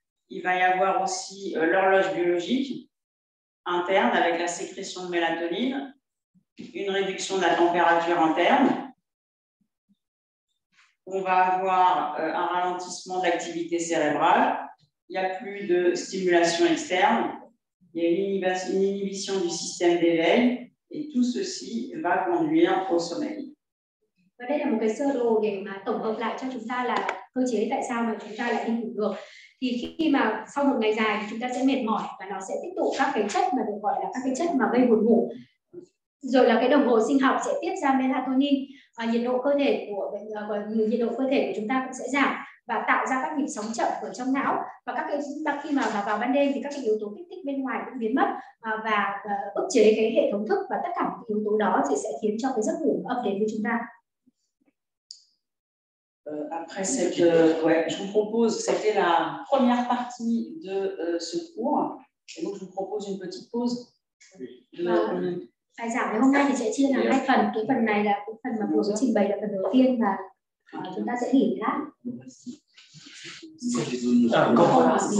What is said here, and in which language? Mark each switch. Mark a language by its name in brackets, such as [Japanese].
[French] Il va y avoir aussi l'horloge biologique interne avec la sécrétion de mélatonine, une réduction de la température interne. On va avoir un ralentissement de l'activité cérébrale. Il n'y a plus de stimulation externe. Il y a une inhibition du système d'éveil. Et tout ceci va conduire au sommeil. [Vietnamese] Và đây là một cái sơ đồ để mà tổng hợp lại cho chúng ta là cơ chế tại sao mà chúng ta lại đi ngủ được. Thì khi mà sau một ngày dài thì chúng ta sẽ mệt mỏi và nó sẽ tích tụ các cái chất mà được gọi là các cái chất mà gây buồn ngủ. Rồi là cái đồng hồ sinh học sẽ tiết ra melatonin, nhiệt độ cơ thể của chúng ta cũng sẽ giảm và tạo ra các nhịp sóng chậm ở trong não, và các cái khi mà vào ban đêm thì các cái yếu tố kích thích bên ngoài cũng biến mất và ức chế cái hệ thống thức, và tất cả các yếu tố đó thì sẽ khiến cho cái giấc ngủ ập đến với chúng ta. [French] Après cette je vous propose, c'était la première partie de ce cours, et donc je vous propose une petite pause. [Vietnamese] Bài giảng ngày hôm nay thì sẽ chia làm hai phần. Cái phần này là cái phần mà cô sẽ trình bày là phần đầu tiên, và chúng ta sẽ nghỉ một lát.